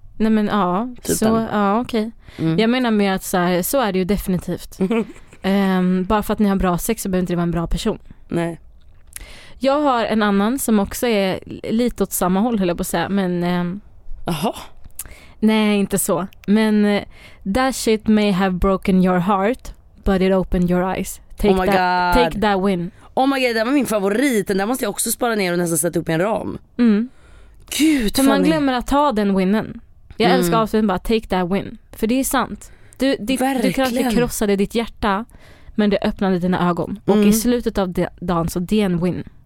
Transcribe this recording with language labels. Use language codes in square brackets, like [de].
[sv] Nej, men ja, typen. Så ja, okej. Mm. Jag menar med att så här, så är det ju definitivt. bara för att ni har bra sex så behöver inte det vara en bra person. Nej. Jag har en annan som också är lite åt samma håll, höll jag på att säga, men aha. Nej, inte så. [en] Men that shit may have broken your heart, but it opened your eyes. Take that win. Oh my god, [sv] det var min favorit. Den där måste jag också spara ner och nästan sätta upp i en ram. Mm. Gud, för man glömmer att ta den winnen. Jag älskar avslutningen, bara [en] take that win. [sv] För det är sant. Du kanske krossade ditt hjärta, men det öppnade dina ögon. Och i slutet av dagen så det är en win.